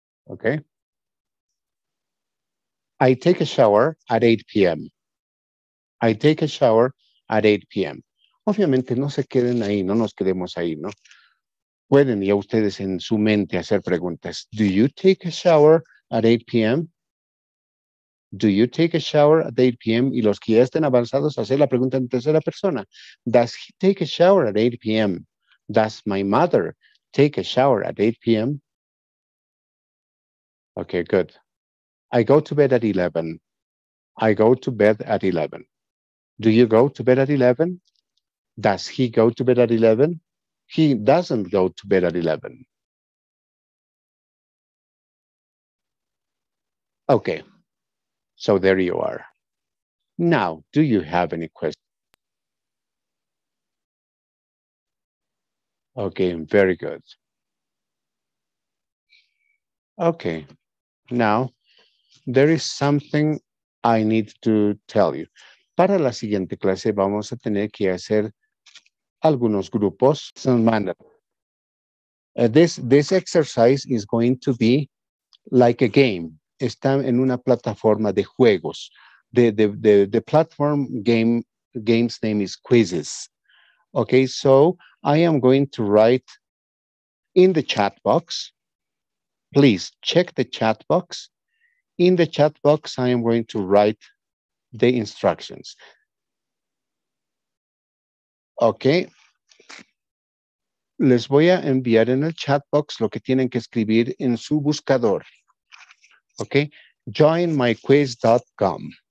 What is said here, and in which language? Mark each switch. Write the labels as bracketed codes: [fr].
[en] Okay. I take a shower at 8 p.m. I take a shower at 8 p.m. [es] Obviamente no se queden ahí, no nos quedemos ahí, ¿no? Pueden ya ustedes en su mente hacer preguntas. [en] Do you take a shower at 8 p.m.? Do you take a shower at 8 p.m.? [es] Y los que ya estén avanzados, hacer la pregunta en tercera persona. [en] Does he take a shower at 8 p.m.? Does my mother take a shower at 8 p.m.? Okay, good. I go to bed at 11. I go to bed at 11. Do you go to bed at 11? Does he go to bed at 11? He doesn't go to bed at 11. Okay. So there you are. Now, do you have any questions? Okay, very good. Okay, now there is something I need to tell you. [es] Para la siguiente clase vamos a tener que hacer algunos grupos. [en] This exercise is going to be like a game. [es] Están en una plataforma de juegos. [en] The platform game's name is Quizzes. Okay, so I am going to write in the chat box. Please check the chat box. In the chat box, I am going to write the instructions. Okay. [es] Les voy a enviar en el chat box lo que tienen que escribir en su buscador. [en] Okay, joinmyquiz.com.